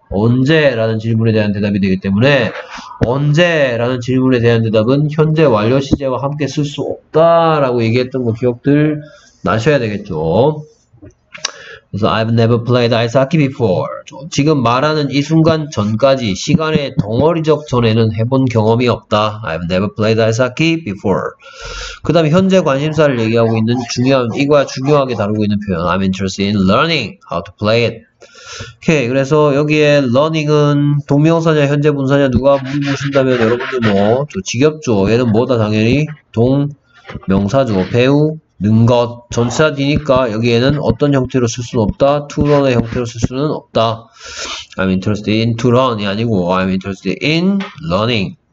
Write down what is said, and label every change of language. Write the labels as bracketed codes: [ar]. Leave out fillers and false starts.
[ko] 언제라는 질문에 대한 대답이 되기 때문에 언제라는 질문에 대한 대답은 현재 완료 시제와 함께 쓸 수 없다라고 얘기했던 거 기억들 나셔야 되겠죠. [en] 그래서 I've never played ice hockey before. [ko] 지금 말하는 이 순간 전까지 시간의 덩어리적 전에는 해본 경험이 없다. [en] I've never played ice hockey before. [ko] 그 다음에 현재 관심사를 얘기하고 있는 중요한, 이거와 중요하게 다루고 있는 표현. [en] I'm interested in learning how to play it. [ko] 오케이. 그래서 여기에 learning은 동명사냐 현재분사냐 누가 물으신다면 여러분들 뭐 좀 지겹죠. 얘는 뭐다 당연히 동명사죠. 배우. 는 것, 전치사 D니까 여기에는 어떤 형태로 쓸 수는 없다. to learn의 형태로 쓸 수는 없다. [en] I'm interested in to learn이 [ko] 아니고 [en] I'm interested in learning.